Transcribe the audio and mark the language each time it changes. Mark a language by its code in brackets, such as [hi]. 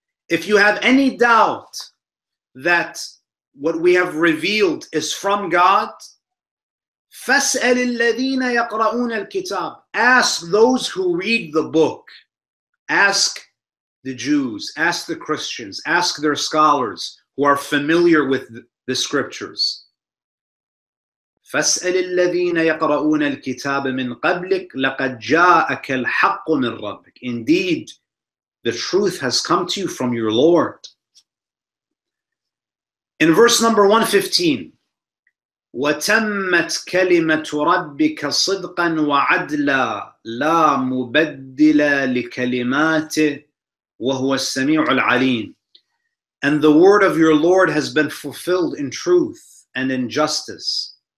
[en] If you have any doubt that what we have revealed is from God, [ar] فَاسْأَلِ الَّذِينَ يَقْرَؤُونَ الْكِتَابِ, [en] ask those who read the book. Ask the Jews, ask the Christians, ask their scholars who are familiar with the scriptures. [ar] فَاسْأَلِ الَّذِينَ يَقْرَؤُونَ الْكِتَابَ مِنْ قَبْلِكَ لَقَدْ جَاءَكَ الْحَقُّ مِنْ رَبِّكَ, [en] indeed, the truth has come to you from your Lord. In verse number 115, [ar] وَتَمَّتْ كَلِمَةُ رَبِّكَ صِدْقًا وَعَدْلًا لَا مُبَدِّلَ لِكَلِمَاتِهِ وَهُوَ السَّمِيعُ الْعَلِيمُ, [en] and the word of your Lord has been fulfilled in truth and in justice.